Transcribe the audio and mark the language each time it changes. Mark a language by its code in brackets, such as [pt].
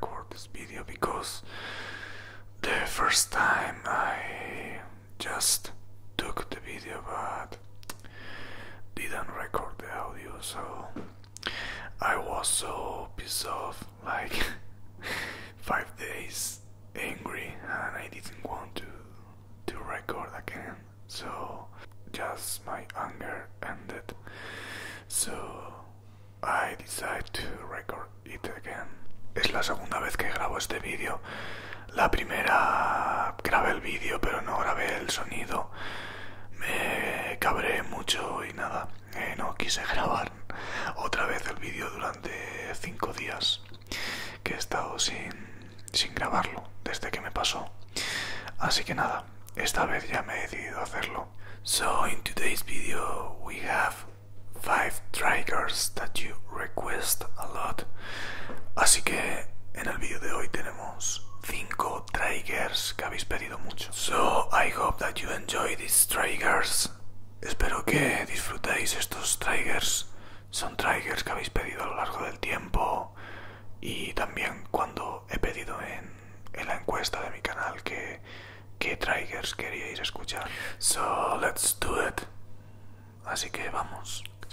[en] this video because the first time I just took the video but didn't record the audio, so I was so pissed off, like 5 days angry, and I didn't want to record again, so just my anger ended, so I decided to record it again. [es] Es la segunda vez que grabo este vídeo. La primera grabé el vídeo pero no grabé el sonido. Me cabré mucho y nada, no quise grabar otra vez el vídeo durante 5 días que he estado sin grabarlo desde que me pasó. Así que nada, esta vez ya me he decidido hacerlo. [en] So in today's video we have 5 triggers that you request a lot. [es] Así que en el vídeo de hoy tenemos 5 triggers que habéis pedido mucho. [en] So I hope that you enjoy these triggers. [es] Espero que disfrutéis estos triggers. Son triggers que habéis pedido a lo largo del tiempo y también cuando he pedido en la encuesta de mi canal qué triggers queríais escuchar. [en] So let's do it. [es] Así que vamos.